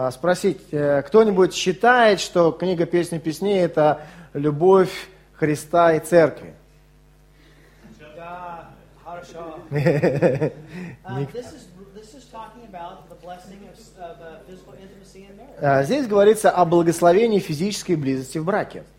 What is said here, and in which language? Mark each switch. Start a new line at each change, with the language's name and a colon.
Russian: Спросить, кто-нибудь считает, что книга Песни Песней это любовь Христа и Церкви? Да, хорошо.
English: This is talking about the blessing of physical intimacy in marriage.
Russian: Здесь говорится о благословении физической близости в браке.